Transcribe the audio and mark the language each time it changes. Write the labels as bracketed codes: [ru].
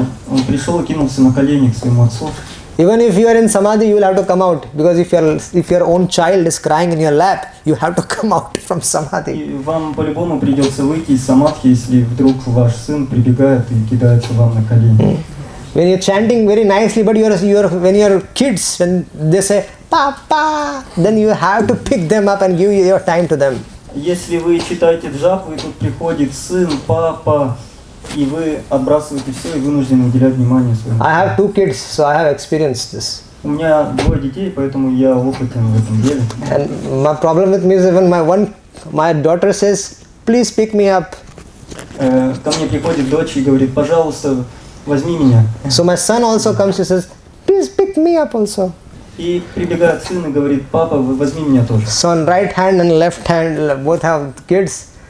[ru] Он пришел и кинулся на колени к своему отцу. [en] Even if you are in samadhi, you will have to come out, because if your own child is crying in your lap, you have to come out from samadhi. [ru] Вам по-любому придется выйти из самадхи, если вдруг ваш сын прибегает и кидается вам на колени. [en] When you're chanting very nicely, but you're when you're kids, when they say papa, then you have to pick them up and give your time to them. [ru] Если вы читаете джапу, и тут приходит сын, папа. И вы отбрасываете все и вынуждены уделять внимание своему. [en] I have two kids, so I have experienced this. [ru] У меня двое детей, поэтому я опытен в этом деле. [en] And my problem with me is even my daughter says, please pick me up. [ru] Ко мне приходит дочь и говорит, пожалуйста, возьми меня. [en] So my son also comes and says, please pick me up also. [ru] И прибегает сын и говорит, папа, возьми меня тоже. [en] So on right hand and left hand both have kids.